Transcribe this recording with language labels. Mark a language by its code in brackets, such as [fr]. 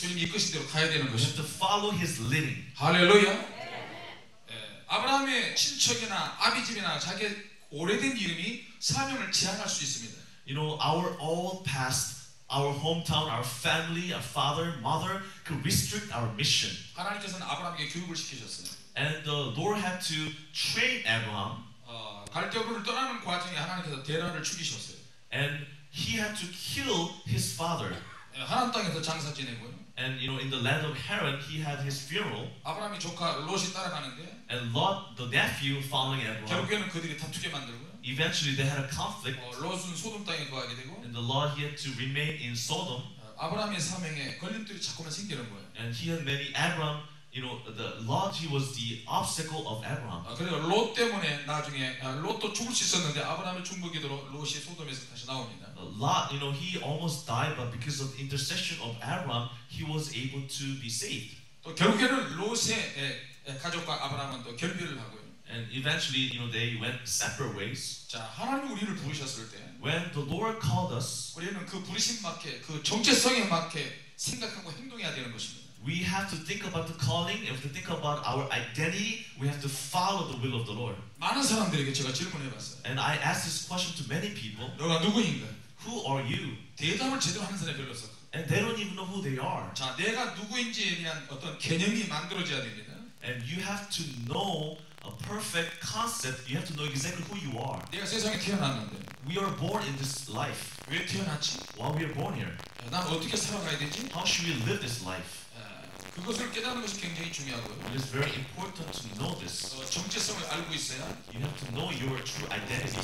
[ko] 주님이 이끄신 대로 가야 되는 것이. [en] We have to follow His leading. [ko] 할렐루야. 아브라함의 친척이나 아비 집이나 자기 오래된 이름이 사명을 지향할 수 있습니다. [en] Our old past. Our hometown, our family, our father, mother could restrict our mission. [ko] 하나님께서는 아브라함에게 교육을 시키셨어요. [en] And the Lord had to train Abraham. [ko] 갈대아를 떠나는 과정에 하나님께서 데라를 죽이셨어요. [en] And he had to kill his father. [ko] 하란 땅에서 장사 지내고요. [en] And in the land of Haran, he had his funeral. [ko] 아브라함이 조카 롯이 따라가는데. [en] And Lot, the nephew, following Abraham. [ko] 결국에는 그들이 다투게 만들고요. [en] Eventually, they had a conflict. [ko] 롯은 소돔 땅에 거하게 되고. [en] And the Lot he had to remain in Sodom. [ko] 아브라함의 사명에 걸림돌이 자꾸만 생기는 거예요. [en] And he had many Abraham, the Lot he was the obstacle of Abraham. [ko] 그래서 롯 때문에 나중에 롯도 죽을 수 있었는데 아브라함의 중보기도로 롯이 소돔에서 다시 나옵니다. [en] Lot, he almost died, but because of intercession of Abraham, he was able to be saved. [ko] 또 결국에는 롯의 가족과 아브라함은 또 결별을 하고요. [en] And eventually, they went separate ways. [ko] 자, 하나님 우리를 부르셨을 때, [en] when the Lord called us, [ko] 우리는 그 부르심 맞게, 그 정체성에 맞게 생각하고 행동해야 되는 것입니다. [en] We have to think about the calling. We have to think about our identity. We have to follow the will of the Lord. [ko] 많은 사람들에게 제가 질문해봤어요. [en] And I asked this question to many people. [ko] 너가 누구인가? [en] Who are you? [ko] 대답을 제대로 하는 사람이 별로 없어. [en] And they don't even know who they are. [ko] 자, 내가 누구인지에 대한 어떤 개념이 만들어져야 됩니다. [en] And you have to know a perfect concept. You have to know exactly who you are. [ko] 내가 세상에 태어났는데. [en] We are born in this life. [ko] 왜 태어났지? [en] Why we are born here? [ko] 나 어떻게 살아가야 되지? [en] How should we live this life? [ko] 그것을 깨닫는 것이 굉장히 중요하고요. [en] It is very important to know this. [ko] 정체성을 알고 있어야. [en] You have to know your true identity.